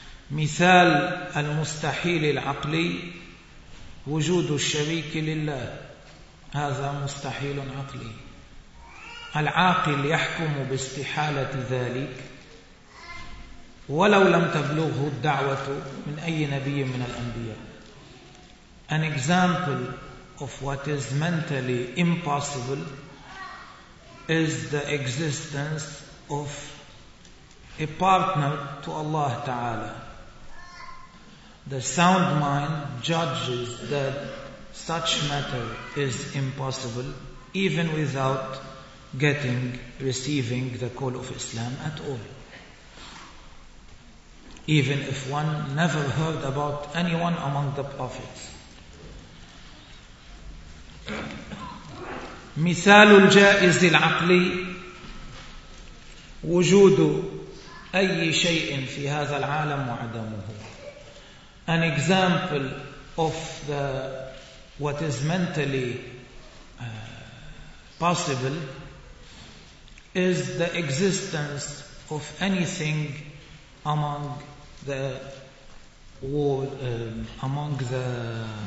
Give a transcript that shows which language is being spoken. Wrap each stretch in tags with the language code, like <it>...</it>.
<ar>مثال المستحيل العقلي وجود الشريك لله. هذا مستحيل عقلي. العاقل يحكم باستحالة ذلك ولو لم تبلغه الدعوة من أي نبي من الأنبياء.</ar> <en>An example of what is mentally impossible is the existence of a partner to Allah Ta'ala. The sound mind judges that such matter is impossible even without getting, receiving the call of Islam at all. Even if one never heard about anyone among the prophets.</en> <ar>مثال الجائز العقلي وجود أي شيء في هذا العالم وعدمه.</ar> <en>An example of the what is mentally possible is the existence of anything among the world, among the</en>